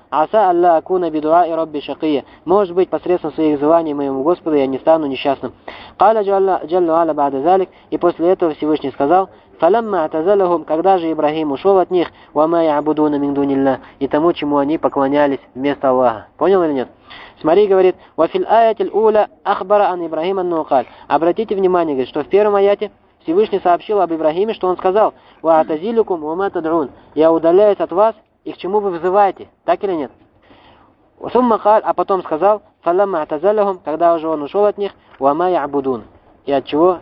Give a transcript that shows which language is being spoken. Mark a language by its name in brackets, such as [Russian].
[Arabic] عَسَى أَلَّا أَكُونَ بِدُعَاءِ رَبِّي شَقِيًّا. [Russian] Может быть, посредством своих взываний моему Господу я не стану несчастным. [Arabic] قَالَ جَلَّ وَعَلَى بَعْدَ ذَلِكَ. [Russian] И после этого Всевышний сказал [Arabic] فَلَمَّا اَعْتَزَلَهُمْ. [Russian] Когда же Ибрахим ушел от них, [Arabic] وَمَا يَعْبُدُونَ مِنْ دُونِ اللَّهِ. [Russian] И тому, чему они поклонялись вместо Аллаха. Понял или нет? Смотри, говорит, [Arabic] وَفِي الْآيَةِ الْأُولَى أَخْبَرَ عَنْ إِبْرَهِيمَ النُّقَالِ. [Russian] Обратите внимание, говорит, что в первом аяте Всевышний сообщил об Ибрахиме, что он сказал [Arabic] وَأَعْتَزِلُكُمْ وَمَا تَدْعُونَ. [Russian] Я удаляюсь от вас, и к чему вы взываете, так или нет? [Arabic] ثُمَّ قَالَ. [Russian] А потом сказал [Arabic] فَلَمَّا اَعْتَزَلَهُمْ. [Russian] Когда уже он ушел от них, [Arabic] وَمَا يَعْبُدُونَ. [Russian] И от чего?